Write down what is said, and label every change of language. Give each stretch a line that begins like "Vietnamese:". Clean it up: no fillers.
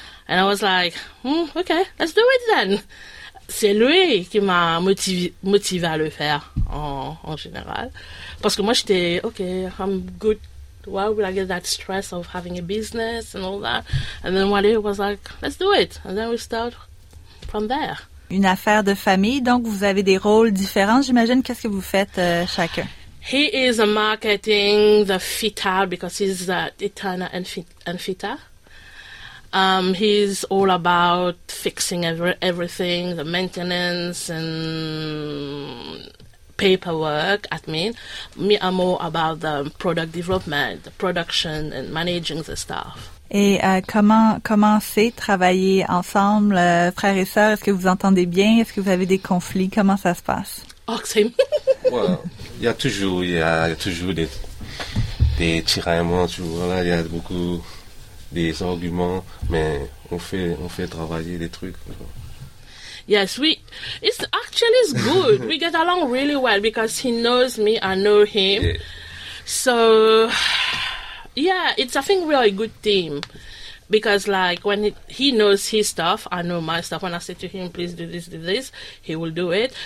English: And I was like, okay, let's do it then.
French: C'est lui qui m'a motivé à le faire en général. Parce que moi, j'étais,
English: okay, I'm good. Why would I get that stress of having a business and all that? And then Wally was like, let's do it. And then we start from there.
French: Une affaire de famille, donc vous avez des rôles différents, j'imagine. Qu'est-ce que vous faites chacun?
English: He is a marketing, the fita, because he's Eterna and fita. He's all about fixing everything, the maintenance and paperwork, admin. Me, I'm more about the product development, the production and managing the staff.
French: Et comment c'est travailler ensemble, frères et sœurs? Est-ce que vous entendez bien? Est-ce que vous avez des conflits? Comment ça se passe?
English: Oh, same.
French: Well, il y a toujours des tiraillements, tu vois, là, il y a beaucoup... des arguments, mais on fait travailler des trucs.
English: Yes, it's good. We get along really well because he knows me, I know him. Yeah. So, yeah, it's, I think, really a good team. Because, like, when he knows his stuff, I know my stuff. When I say to him, please do this, he will do it.